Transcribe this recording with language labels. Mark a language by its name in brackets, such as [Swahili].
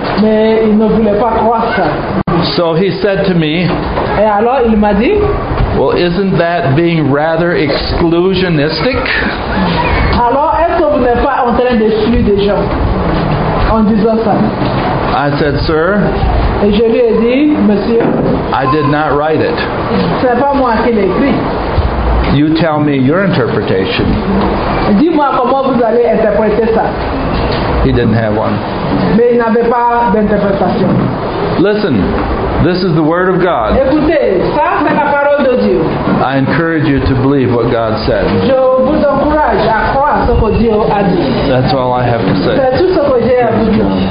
[French] Mais il ne voulait pas croire ça. [English] So he said to me, [French] et alors il m'a dit, [English] "Well, isn't that being rather exclusionistic?" [French] Alors, est-ce que vous n'êtes pas en train d'exclure des gens en disant ça? [English] I said, "Sir." [French] Et je lui ai dit, "Monsieur." [English] I did not write it. [French] C'est pas moi qui l'ai écrit. [English] You tell me your interpretation. [French] Dis-moi comment vous allez interpréter ça. [English] He didn't have one. [French] Mais il n'avait pas d'interprétation. [English] Listen, this is the word of God. [French] Écoutez, ça c'est la parole de Dieu. [English] I encourage you to believe what God said. [French] Je vous encourage à croire ce que Dieu a dit. [English] That's all I have to say. [French] C'est tout ce que j'ai à vous dire.